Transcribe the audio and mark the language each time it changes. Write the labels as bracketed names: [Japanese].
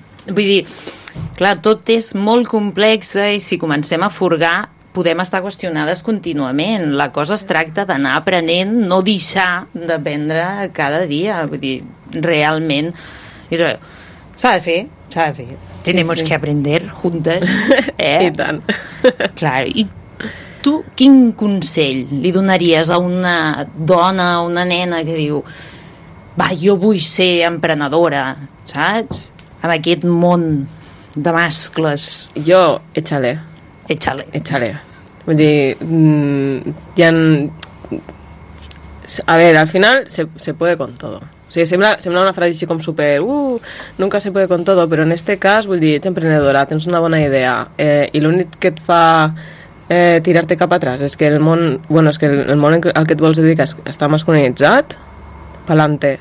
[Catalan] Vull dir, clar, tot és molt complex i si comencem a furgar podem estar qüestionades contínuament. La cosa es tracta d'anar aprenent, no deixar d'aprendre cada dia. Vull dir, realment, s'ha de fer. [Spanish] Tenemos que aprender juntes. [Catalan] I tant. Clar, i tu quin consell li donaries a una dona, a una nena que diu, va, jo vull ser emprenedora, saps? En aquest món de mascles. Jo, échale. [Spanish] Échale. [Catalan] Échale. Vull dir, hi ha... A veure, al final, [Spanish] se puede con todo. [Catalan] O sigui, sembla una frase així com super... [Spanish] nunca se puede con todo, [Catalan] però en este cas, vull dir, ets emprenedora, tens una bona idea, i l'únic que et fa tirar-te cap atrás és que el món... Bueno, és que el món al que et vols dedicar està masculinitzat, pa'lante.